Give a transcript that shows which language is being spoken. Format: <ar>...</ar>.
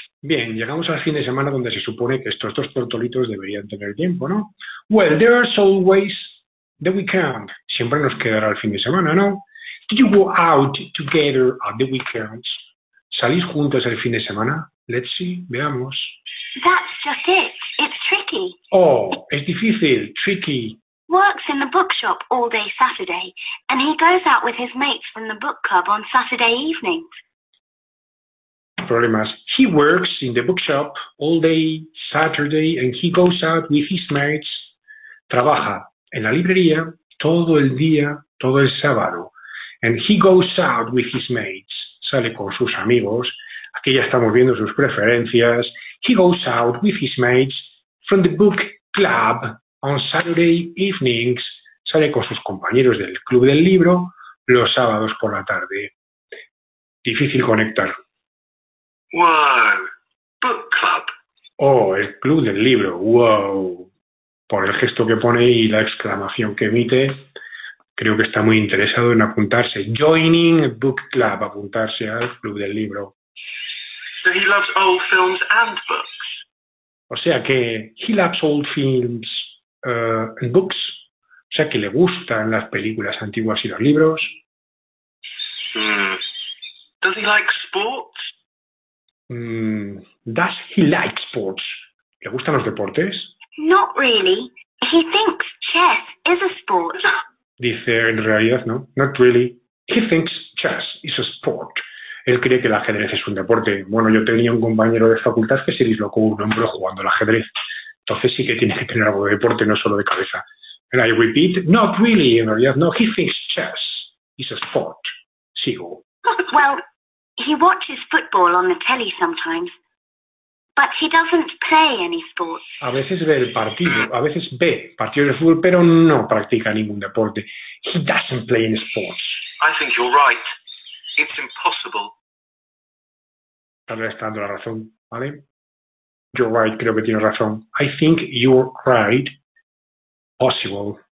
<es>Bien, llegamos al fin de semana donde se supone que estos dos tortolitos deberían tener tiempo, ¿no?</es> <en>Well, there's always the weekend.</en> <es>Siempre nos quedará el fin de semana, ¿no?</es> <en>Do you go out together at the weekends?</en> <es>¿Salís juntos el fin de semana?</es> <en>Let's see,</en> <es>veamos.</es> <en>That's just it. It's tricky.</en> <es>Oh, es difícil, tricky.</es> <en>Works in the bookshop all day Saturday, and he goes out with his mates from the book club on Saturday evenings.</en> <es>Problemas.</es> <en>He works in the bookshop all day Saturday and he goes out with his mates.</en> <es>Trabaja en la librería todo el día, todo el sábado.</es> <en>And he goes out with his mates.</en> <es>Sale con sus amigos Aquí ya estamos viendo sus preferencias.</es> <en>He goes out with his mates from the book club on Saturday evenings.</en> <es>Sale con sus compañeros del club del libro los sábados por la tarde. Difícil conectar.</es> <en>Wow, book club.</en> <es>Oh, el club del libro, wow. Por el gesto que pone y la exclamación que emite, creo que está muy interesado en apuntarse.</es> <en>Joining a book club,</en> <es>apuntarse al club del libro.</es> <en>So he loves old films and books.</en> <es>O sea que</es> <en>he loves old films and books.</en> <es>O sea que le gustan las películas antiguas y los libros.</es> <en>Does he like sports? Does he like sports?</en> <es>¿Le gustan los deportes?</es> <en>Not really. He thinks chess is a sport.</en> <es>Dice, en realidad, no.</es> <en>Not really. He thinks chess is a sport.</en> <es>Él cree que el ajedrez es un deporte. Bueno, yo tenía un compañero de facultad que se dislocó un hombro jugando al ajedrez. Entonces sí que tiene que tener algo de deporte, no solo de cabeza.</es> <en>And I repeat, not really.</en> <es>En realidad, no.</es> <en>He thinks chess is a sport.</en> <es>Sigo.</es> <en>Well, he watches football on the telly sometimes, but he doesn't play any sports.</en> <es>A veces ve el partido, a veces ve partidos de fútbol, pero no practica ningún deporte.</es> <en>He doesn't play any sports. I think you're right. It's impossible.</en> <es>Tal vez está dando la razón, ¿vale?</es> <en>You're right,</en> <es>creo que tienes razón.</es> <en>I think you're right. Possible.</en>